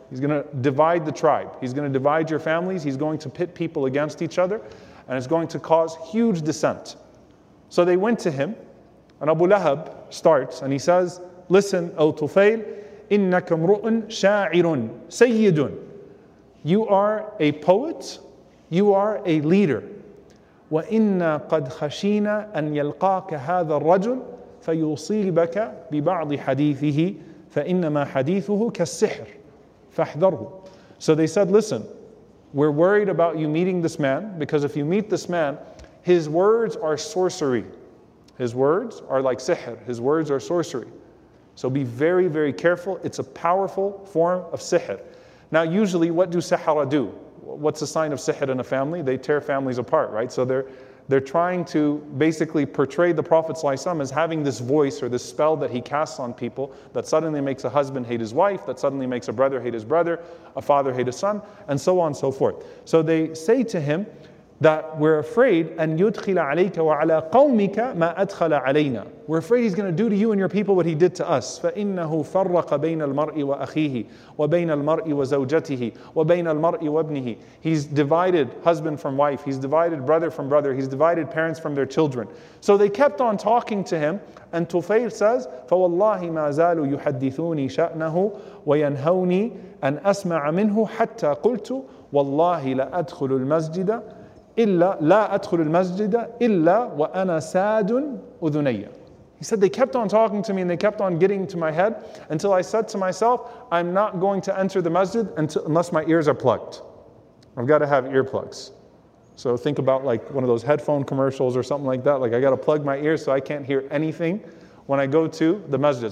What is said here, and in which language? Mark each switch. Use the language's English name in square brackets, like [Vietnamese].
[English] He's going to divide the tribe. He's going to divide your families. He's going to pit people against each other, and it's going to cause huge dissent. So they went to him, and Abu Lahab starts, and he says, "Listen, O Tufayl, [Arabic] innaka mru'un sha'irun sayyidun. [English] You are a poet. You are a leader. [Arabic] وَإِنَّا قَدْ خَشِينَا أَنْ يَلْقَاكَ هَذَا الرَّجُلُ فَيُصِيبَكَ بِبَعْضِ حَدِيثِهِ فَإِنَّمَا حَدِيثُهُ كَالسِّحْرِ فَاحْذَرْهُ." [English] So they said, "Listen, We're worried about you meeting this man, because if you meet this man, his words are sorcery. His words are like sihr. His words are sorcery. So be very, very careful. It's a powerful form of sihr. Now, usually, what do sahara do? What's a sign of sihr in a family? They tear families apart, right? So they're trying to basically portray the Prophet ﷺ as having this voice or this spell that he casts on people that suddenly makes a husband hate his wife, that suddenly makes a brother hate his brother, a father hate a son, and so on and so forth. So they say to him that we're afraid, [Arabic] أَنْ يُدْخِلَ عَلَيْكَ وَعَلَىٰ قَوْمِكَ مَا أَدْخَلَ عَلَيْنَا. [English] We're afraid he's going to do to you and your people what he did to us. [Arabic] فَإِنَّهُ فَرَّقَ بَيْنَ الْمَرْءِ وَأَخِيهِ وَبَيْنَ الْمَرْءِ وَزَوْجَتِهِ وَبَيْنَ الْمَرْءِ وَابْنِهِ. [English] He's divided husband from wife. He's divided brother from brother. He's divided parents from their children. So they kept on talking to him. And Tufayl says, [Arabic] فَوَاللَّهِ مَا زَالُوا يُحَدِّثُونِي شَأْنَهُ وَيَنْهَوْنِي أَنْ أَسْمَعَ مِنْهُ حَتَّى قُلْتُ وَاللَّهِ لَأَدْخُلُ الْمَسْجِدَ إِلَّا لَا أَدْخُلُ الْمَسْجِدَ إِلَّا وَأَنَا سَادٌ أُذُنَيَّ. [English] He said, they kept on talking to me and they kept on getting to my head until I said to myself, I'm not going to enter the masjid unless my ears are plugged. I've got to have earplugs. So think about like one of those headphone commercials or something like that. Like I got to plug my ears so I can't hear anything when I go to the masjid.